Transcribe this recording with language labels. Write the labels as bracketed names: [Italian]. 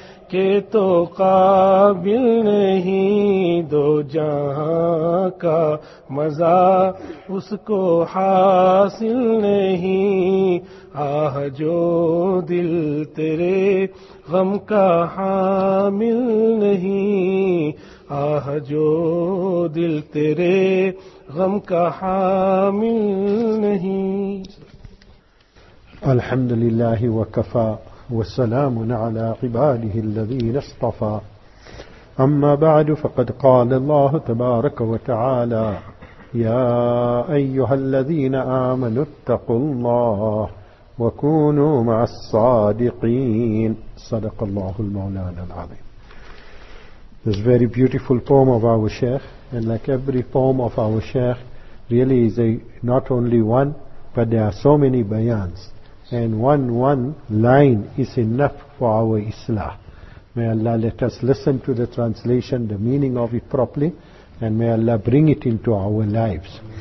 [Urdu] کے تو قابل نہیں دو جہاں کا مزہ اس کو حاصل نہیں آہ جو دل تیرے غم کا حامل نہیں آہ جو دل تیرے غم کا حامل نہیں. [Arabic] الحمد للہ وکفا والسلام على عباده الذين اصطفى. أما بعد، فقد قال الله تبارك وتعالى: يا أيها الذين آمنوا اتقوا الله وكونوا مع الصادقين. صدق الله المولانا العظيم. [English] This very beautiful poem of our Sheikh, and like every poem of our Sheikh, really is a not only one, but there are so many bayans, and one line is enough for our Islah. May Allah let us listen to the translation, the meaning of it properly, and may Allah bring it into our lives.